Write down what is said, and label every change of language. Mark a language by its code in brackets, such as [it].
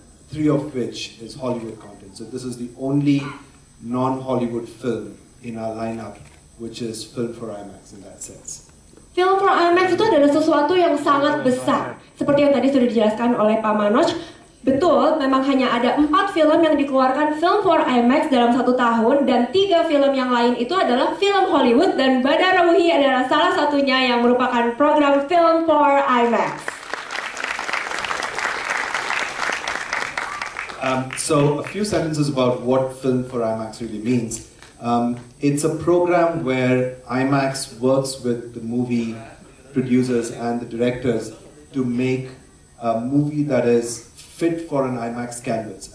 [en] three of which is Hollywood content. So this is the only non-Hollywood film in our lineup, which is film for IMAX in that sense. [id] Film for IMAX itu adalah sesuatu yang sangat besar. Seperti yang tadi sudah dijelaskan oleh Pak Manoj, betul, memang hanya ada 4 film yang dikeluarkan film for IMAX dalam 1 tahun, dan 3 film yang lain itu adalah film Hollywood, dan Badar Rawuhi adalah salah satunya yang merupakan program film for IMAX. [en] So, a few sentences about what Film for IMAX really means. It's a program where IMAX works with the movie producers and the directors to make a movie that is fit for an IMAX canvas.